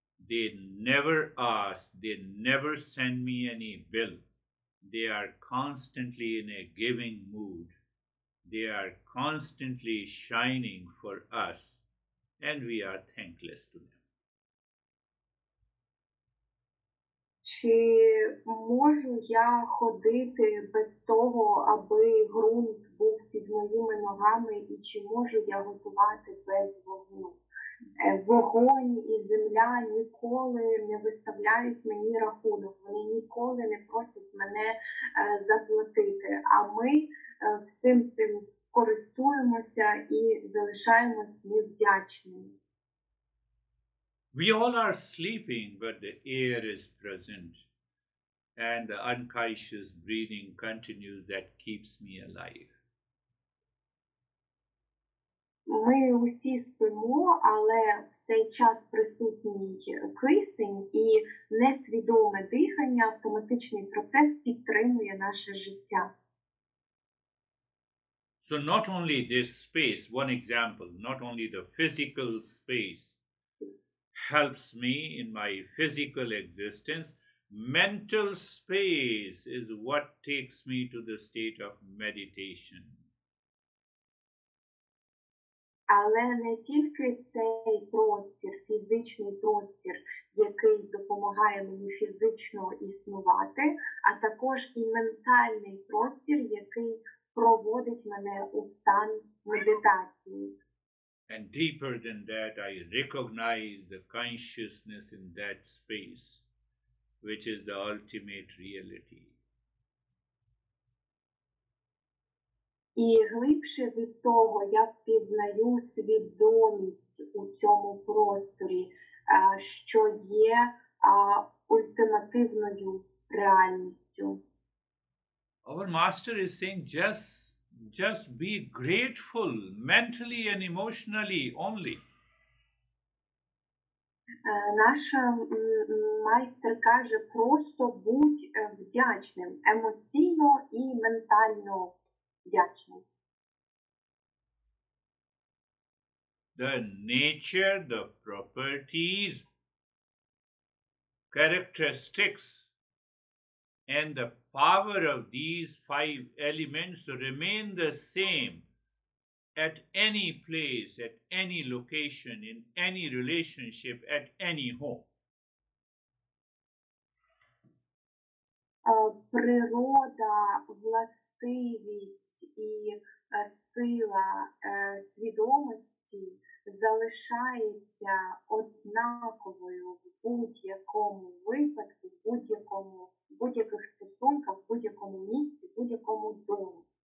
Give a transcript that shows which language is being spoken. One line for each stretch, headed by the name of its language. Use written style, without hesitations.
English: They never ask, they never send me any bill. They are constantly in a giving mood. They are constantly shining for us, and we are thankless to them.
Ukrainian: Чи можу я ходити без того, аби ґрунт був під моїми ногами, і чи можу я готувати без вогню? Вогонь і земля ніколи не виставляють мені рахунок, вони ніколи не просять мене заплатити, а ми всім цим користуємося і залишаємось невдячними.
English: We all are sleeping, but the air is present, and the unconscious breathing continues that keeps me alive.
Ukrainian: Ми усі спимо, але в цей час присутній кисень і несвідоме дихання, автоматичний процес підтримує наше життя.
English: So not only this space, one example, not only the physical space helps me in my physical existence, mental space is what takes me to the state of meditation.
Ukrainian: Але не тільки цей простір, фізичний простір, який допомагає мені фізично існувати, а також і ментальний простір, який проводить мене у стан медитації.
English: And deeper than that, I recognize the consciousness in that space, which is the ultimate reality.
Ukrainian: І глибше від того, я впізнаю свідомість у цьому просторі, що є ультимативною реальністю.
English: Our master is saying just be grateful mentally and emotionally only.
Ukrainian: Наш майстер каже, просто будь вдячним, емоційно і ментально.
English: The nature, the properties, characteristics, and the power of these five elements remain the same at any place, at any location, in any relationship, at any home.
Ukrainian: Природа, властивість і сила свідомості залишається однаковою в будь-якому випадку, в будь-якому, в будь-яких стосунках, в будь-якому місці, в будь-якому домі.